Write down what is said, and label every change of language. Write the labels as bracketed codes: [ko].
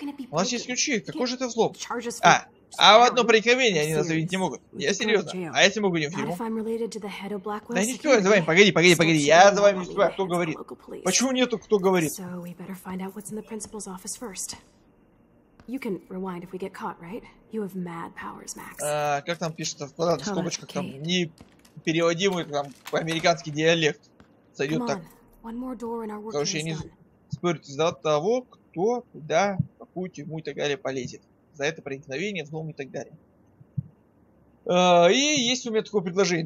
[ru] У нас есть ключи, какой же это взлом? А в одно проникновение они нас увидеть не могут. Я серьезно, а если мы будем в тюрьму? Да не стой, за вами, погоди, я за вами не успеваю, кто говорит? Почему нету, кто говорит? [en] So we better find out what's in the principal's office first. You can rewind if we get caught, right? You have mad powers, Max. [ru] Как там пишется в квадратных скобочках, там непереводимый там американский диалект сойдет так. Короче, я не спорю из-за того, кто куда, в какую тюрьму и так далее полезет. За это проникновение, взлом и так далее. И есть у меня такое предложение.